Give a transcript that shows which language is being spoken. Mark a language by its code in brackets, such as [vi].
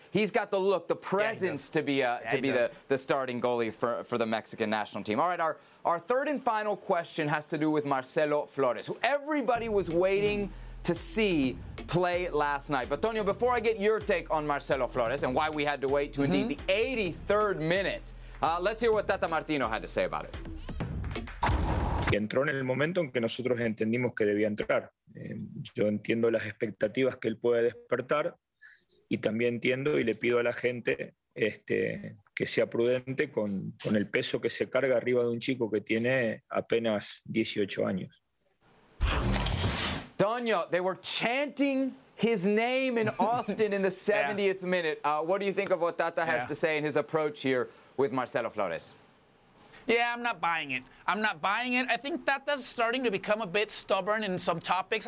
[en] He's got the look, the presence to be the starting goalie for the Mexican national team. All right, our third and final question has to do with Marcelo Flores, who everybody was waiting to see play last night. But Tonio, before I get your take on Marcelo Flores and why we had to wait to indeed the 83rd minute, let's hear what Tata Martino had to say about it. [es] Entró en el momento en que nosotros entendimos que debía entrar. Yo entiendo las expectativas que él puede despertar y también entiendo y le pido a la gente que sea prudente con el peso que se carga arriba de un chico que tiene apenas 18 años. [en] Toño, they were chanting his name in Austin in the 70th minute. What do you think of what Tata has to say in his approach here with Marcelo Flores? Yeah, I'm not buying it. I think Tata's starting to become a bit stubborn in some topics.